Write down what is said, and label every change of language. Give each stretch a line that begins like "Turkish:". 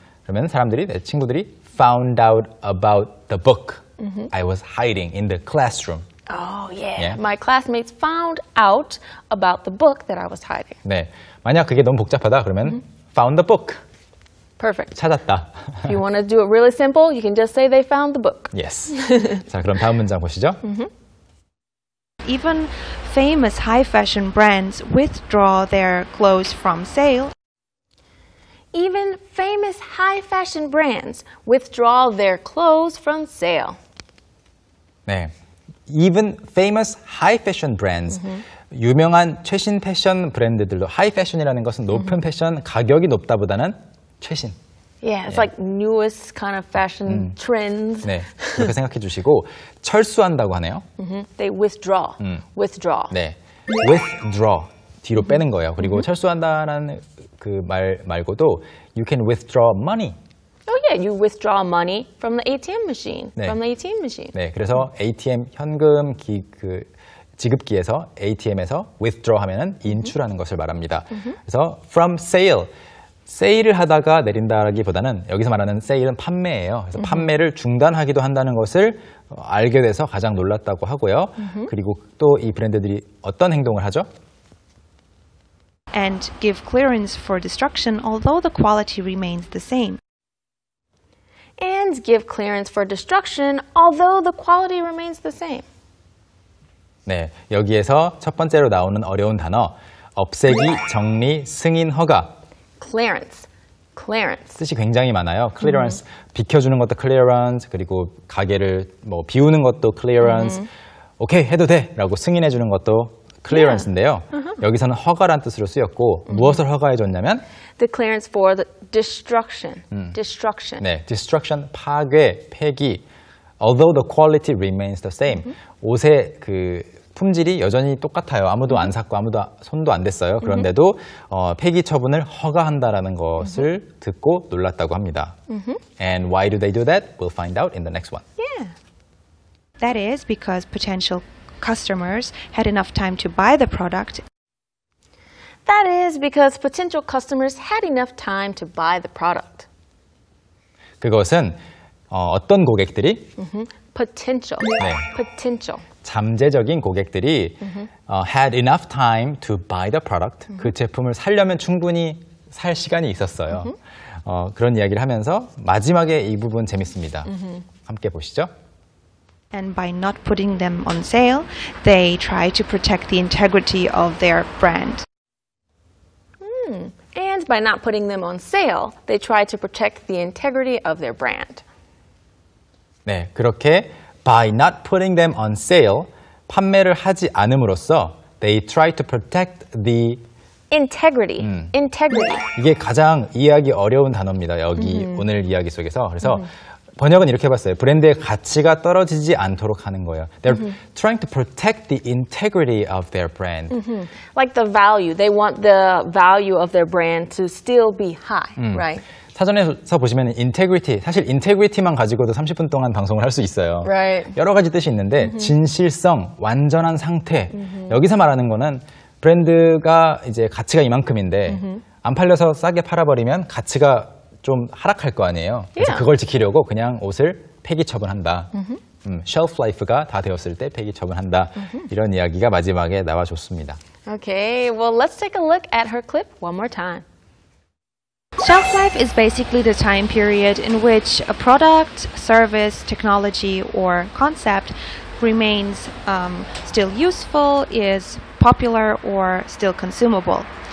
Korean: 그러면 사람들이, 내 친구들이
English: found out about the book I was hiding in the classroom. Oh, yeah. My classmates found out about the book that I was hiding.
Korean: 네. 만약 그게 너무 복잡하다, 그러면
English: found the book. Perfect.
Korean: 찾았다.
English: If you want to do it really simple, you can just say they found the book. Yes.
Korean: 자, 그럼 다음 문장 보시죠.
English: Even famous high fashion brands withdraw their clothes from sale. Even famous high fashion brands withdraw their clothes from sale.
Korean: 네.
English: Even famous high fashion brands
Korean: 유명한 최신 패션 브랜드들도 high fashion이라는 것은 높은 패션, 가격이 높다보다는 최신.
English: Yeah, it's like newest kind of fashion trends.
Korean: 네, 그렇게 생각해 주시고 철수한다고 하네요.
English: They withdraw. Withdraw.
Korean: 네, withdraw. 뒤로 빼는 거예요. 그리고 철수한다는 그 말 말고도
English: you can withdraw money. Oh yeah, you withdraw money from the ATM machine. 네. From the ATM machine.
Korean: 네, 그래서 ATM 현금 기 그 지급기에서 ATM에서 withdraw 하면은 인출하는 것을 말합니다. 그래서 from sale. 세일을 하다가 내린다라기보다는 여기서 말하는 세일은 판매예요. 그래서 판매를 중단하기도 한다는 것을 알게 돼서 가장 놀랐다고 하고요. 그리고 또 이 브랜드들이 어떤 행동을 하죠?
English: And give clearance for destruction although the quality remains the same. and give clearance for destruction, although the quality remains the same.
Korean: 네, 여기에서 첫 번째로 나오는 어려운 단어, 없애기, 정리, 승인, 허가.
English: Clearance. Clearance.
Korean: 뜻이 굉장히 많아요. Clearance. Mm-hmm. 비켜주는 것도 clearance. 그리고 가게를 뭐 비우는 것도 clearance. Mm-hmm. 오케이, 해도 돼! 라고 승인해주는 것도 clearance인데요.
English: Yeah. Mm-hmm.
Korean: 여기서는 허가란 뜻으로 쓰였고, mm-hmm. 무엇을 허가해줬냐면?
English: The clearance for the destruction. Destruction.
Korean: 네, destruction, 파괴, 폐기.
English: Although the quality remains the same. Mm-hmm.
Korean: 옷의 그 품질이 여전히 똑같아요. 아무도 안 샀고 아무도 손도 안 댔어요. 그런데도 폐기 처분을 허가한다라는 것을 듣고 놀랐다고 합니다.
English: And why do they do that? We'll find out in the next one. Yeah. That is because potential customers had enough time to buy the product. That is because potential customers had enough time to buy the product.
Korean: 그것은 어떤 고객들이
English: potential. 네. potential.
Korean: 잠재적인 고객들이
English: had enough time to buy the product.
Korean: 그 제품을 사려면 충분히 살 시간이 있었어요. 그런 이야기를 하면서 마지막에 이 부분 재밌습니다. 함께 보시죠.
English: And by not putting them on sale, they try to protect the integrity of their brand. And by not putting them on sale, they try to protect the integrity of their brand.
Korean: 네, 그렇게
English: By not putting them on sale,
Korean: 판매를 하지 않음으로써
English: they try to protect the integrity. Integrity.
Korean: 이게 가장 이해하기 어려운 단어입니다. 여기 오늘 이야기 속에서. 그래서 번역은 이렇게 봤어요. 브랜드의 가치가 떨어지지 않도록 하는 거예요.
English: They're trying to protect the integrity of their brand. Like the value. They want the value of their brand to still be high, right?
Korean: 사전에서 보시면 integrity, 사실 integrity만 가지고도 30분 동안 방송을 할 수 있어요.
English: Right.
Korean: 여러 가지 뜻이 있는데 진실성, 완전한 상태. 여기서 말하는 거는 브랜드가 이제 가치가 이만큼인데 안 팔려서 싸게 팔아버리면 가치가 좀 하락할 거 아니에요. 그래서
English: yeah.
Korean: 그걸 지키려고 그냥 옷을 폐기 처분한다. Shelf life가 다 되었을 때 폐기 처분한다. 이런 이야기가 마지막에 나와줬습니다.
English: Okay, well let's take a look at her clip one more time. Shelf life is basically the time period in which a product, service, technology, or concept remains still useful, is popular, or still consumable.